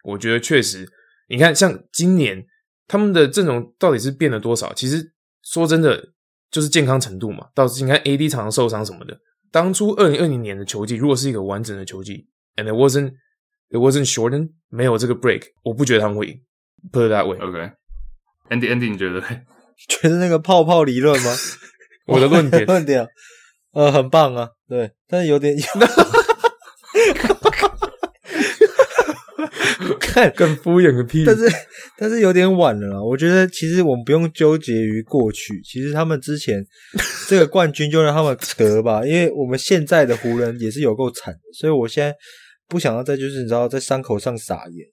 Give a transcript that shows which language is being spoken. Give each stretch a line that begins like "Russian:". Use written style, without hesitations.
Chinese: 我觉得确实，你看像今年他们的阵容到底是变了多少？其实说真的，就是健康程度嘛。到你看 AD 常常受伤什么的。当初2020年的球季，如果是一个完整的球季 ，
English: and it wasn't shortened，
Chinese: 没有这个 break， 我不觉得他们会赢。
English: Put it that way。 Okay，
Chinese: Andy， 你觉得？觉得那个泡泡理论吗？我的论点，论点，很棒啊，对，但是有点，看更敷衍个屁，但是有点晚了啦。我觉得其实我们不用纠结于过去，其实他们之前这个冠军就让他们得吧，因为我们现在的湖人也是有够惨，所以我现在不想要再就是你知道在伤口上撒盐。